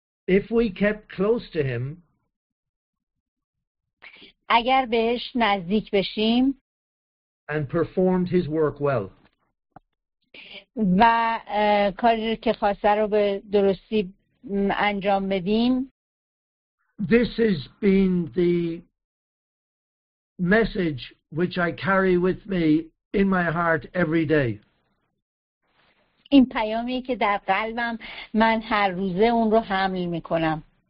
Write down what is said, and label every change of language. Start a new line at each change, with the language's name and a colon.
English: If we kept close to him.
Persian: اگر بهش نزدیک بشیم
English: and performed his work well.
Persian: و کاری که خواسته رو به درستی انجام بدیم.
English: This has been the message which I carry with me in my heart every day.
Persian: این پیامی که در قلبم من هر روزه اون رو حمل میکنم.